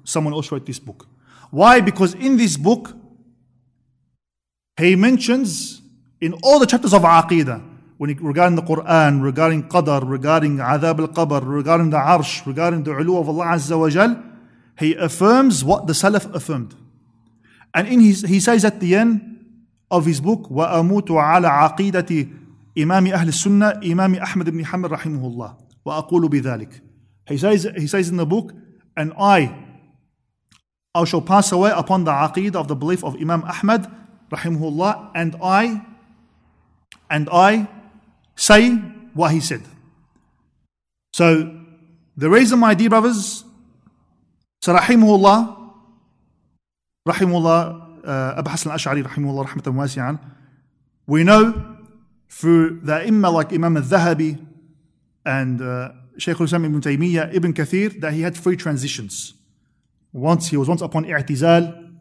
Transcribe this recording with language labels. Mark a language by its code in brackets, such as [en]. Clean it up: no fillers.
[en] Someone else wrote this book. Why? Because in this book, he mentions in all the chapters of Aqidah, regarding the Quran, regarding Qadr, regarding Azab al-Qabr, regarding the Arsh, regarding the Ulu of Allah Azza wa Jal, he affirms what the Salaf affirmed. And in he says at the end of his book, [ar] وَأَمُوتُ عَلَىٰ عَقِيدَةِ إِمَامِ أَهْلِ السُّنَّةِ إِمَامِ أَحْمَدِ بْنِ حَمَّدٍ رَحِمُهُ اللَّهِ وَأَقُولُ بِذَلِكَ. [en] He says in the book, and I shall pass away upon the aqid of the belief of Imam Ahmad rahimahullah, and I say what he said. So the reason, my dear brothers, so rahimahullah, Abu Hassan al-Ash'ari rahimahullah rahmatan wasi'an, we know through the imma like Imam al-Dhahabi and Shaykh al-Islam ibn Taymiyyah, Ibn Kathir, that he had three transitions. Once he was upon I'tizal,